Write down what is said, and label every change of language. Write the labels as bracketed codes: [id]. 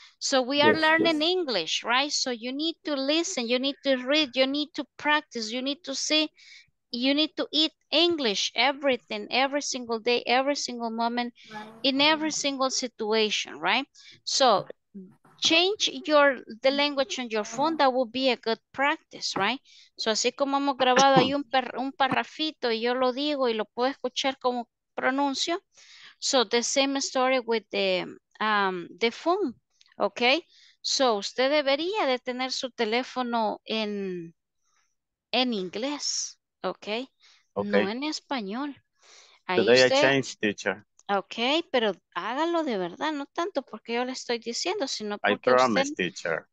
[en] So we are learning English, right? So you need to listen, you need to read, you need to practice, you need to see, you need to eat English, everything, every single day, every single moment, in every single situation, right? So change your the language on your phone, that would be a good practice, right? [es] So así como hemos grabado ahí un parrafito y yo lo digo y lo puedo escuchar como pronuncio. [en] So the same story with the phone, okay? [es] So usted debería de tener su teléfono en inglés, okay? No en español. Ahí usted... [en] Today I changed, teacher. [es] Ok, pero hágalo de verdad, no tanto porque yo le estoy diciendo, sino porque [en] I promise, usted teacher.